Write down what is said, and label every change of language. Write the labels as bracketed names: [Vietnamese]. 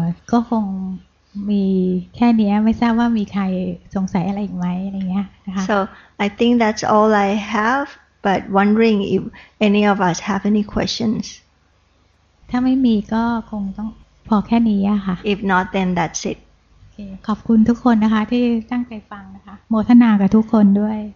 [Thai] ก็คงมีแค่นี้ไม่ทราบว่ามีใครสงสัยอะไรอีกไหมอะไรเงี้ยนะคะ [English] so I think that's all I have but wondering if any of us have any questions [Thai] ถ้าไม่มีก็คงต้องพอแค่นี้อะค่ะ [English] If not then that's it [Thai] ขอบคุณทุกคนนะคะที่ตั้งใจฟังนะคะโมทนากับทุกคนด้วย